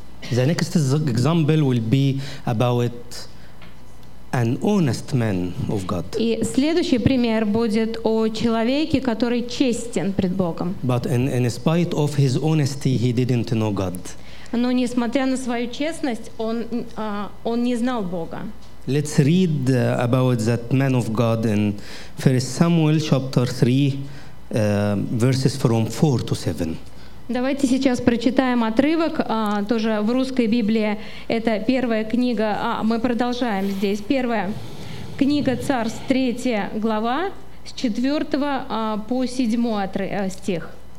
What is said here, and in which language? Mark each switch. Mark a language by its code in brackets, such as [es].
[en] The next example will be about an honest man of God. [ru] И следующий пример будет о человеке, который честен пред Богом. [en] But in spite of his honesty, he didn't know God. [ru] Но несмотря на свою честность, он не знал Бога. [en] Let's read about that man of God in 1 Samuel chapter 3, verses from 4 to 7. [ru] Давайте сейчас прочитаем отрывок, тоже в русской Библии. Это первая книга, мы продолжаем здесь. Первая книга Царств, 3 глава, с 4 по 7 стих.